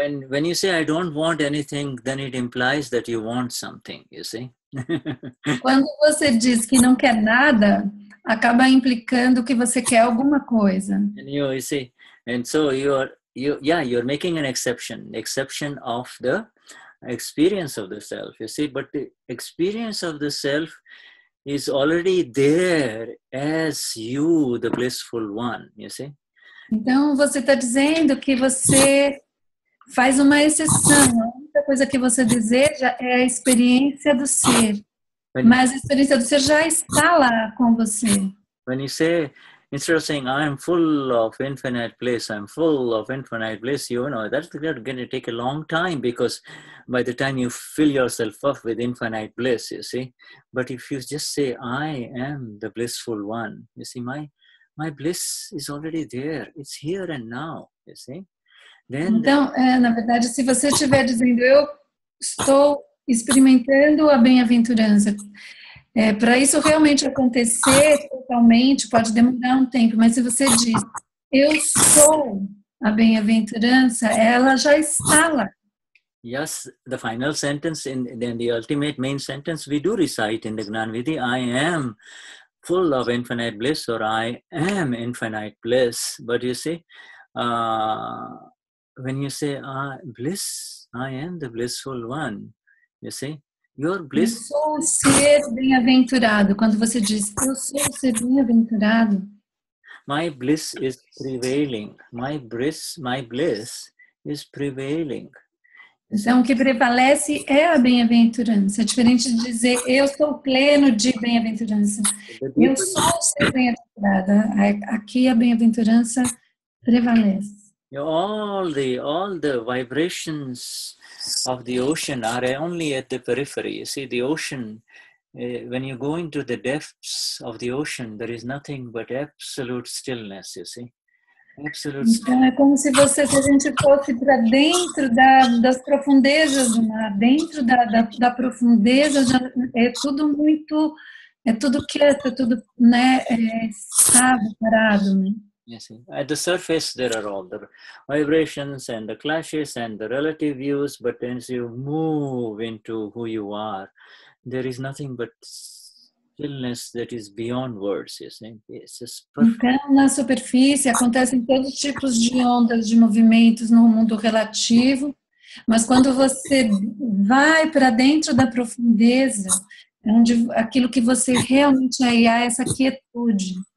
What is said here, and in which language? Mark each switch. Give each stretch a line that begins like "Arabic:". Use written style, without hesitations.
English: When you say I don't want anything, then it implies that you want something, you see?
Portuguese: Quando você diz que não quer nada, acaba implicando que você quer alguma coisa.
English: And you see, and so you're making an exception of the experience of the self, you see, but the experience of the self is already there as you, the blissful one, you see.
Portuguese: Então você está dizendo que você faz uma exceção. A única coisa que você deseja é a experiência do ser. Mas a experiência do ser já está lá com você.
English: When you say, instead of saying, I'm full of infinite bliss, I'm full of infinite bliss, you know, that's going to take a long time, because by the time you fill yourself up with infinite bliss, you see. But if you just say, I am the blissful one, you see, my bliss is already there. It's here and now, you see.
Portuguese: Then então, na verdade, se você estiver dizendo, eu estou experimentando a bem-aventurança. Para isso realmente acontecer totalmente, pode demorar um tempo, mas se você diz, eu sou a bem-aventurança, ela já está lá.
English: Yes, the final sentence, then the ultimate main sentence, we do recite in the Gnan Vidhi, I am full of infinite bliss, or I am infinite bliss. But you see, when you say, bliss, I am the blissful one, you see, your bliss.
Portuguese: Eu sou o ser bem-aventurado. Quando você diz, eu sou o ser bem-aventurado.
English: My bliss is prevailing. My bliss is prevailing.
Portuguese: Então, o que prevalece é a bem-aventurança. É diferente de dizer, eu sou pleno de bem-aventurança. Eu sou ser bem-aventurada. Aqui a bem-aventurança prevalece.
English: All the vibrations of the ocean are only at the periphery. You see, the ocean, when you go into the depths of the ocean, there is nothing but absolute stillness, you see.
Portuguese: Então, é como se você, se a gente fosse para dentro das profundezas do mar, dentro da profundeza, é tudo quieto, tudo, né, estável, parado. Né?
English: Yes, at the surface there are all the vibrations and the clashes and the relative views, but as you move into who you are, there is nothing but stillness that is beyond words, you see.
Portuguese: Então, na superfície acontecem todos os tipos de ondas de movimentos no mundo relativo, mas quando você vai para dentro da profundeza, onde aquilo que você realmente é, há essa quietude.